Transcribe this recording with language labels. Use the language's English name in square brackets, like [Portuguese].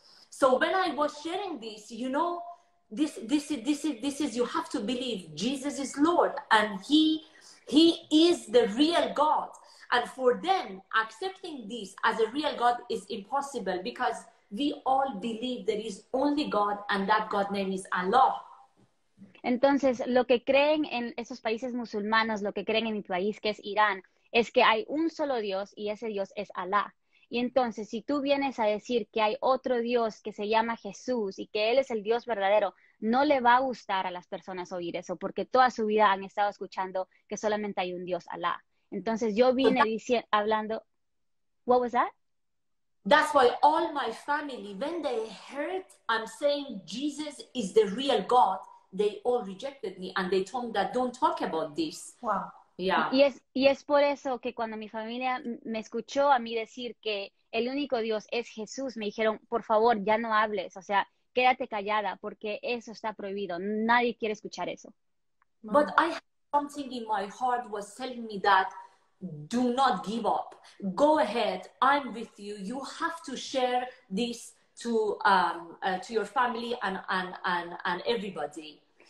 [English] So when I was sharing this, you know, this is, you have to believe Jesus is Lord, and he is the real God. And for them, accepting this as a real God is impossible because we all believe there is only God and that God name is Allah. [Spanish] Entonces, lo que creen en esos países musulmanos, lo que creen en mi país, que es Irán, es que hay un solo Dios y ese Dios es Allah. Y entonces, si tú vienes a decir que hay otro Dios que se llama Jesús y que Él es el Dios verdadero, no le va a gustar a las personas oír eso porque toda su vida han estado escuchando que solamente hay un Dios, Allah. Entonces yo vine hablando, [English] what was that? That's why all my family, when they heard I'm saying Jesus is the real God, they all rejected me and they told me that don't talk about this. Wow. Yeah. [Spanish] Y es por eso que cuando mi familia me escuchó a mí decir que el único Dios es Jesús, me dijeron, por favor, ya no hables, o sea, quédate callada porque eso está prohibido. Nadie quiere escuchar eso. [English] But I something in my heart was telling me that do not give up. Go ahead. I'm with you. You have to share this to your family and everybody.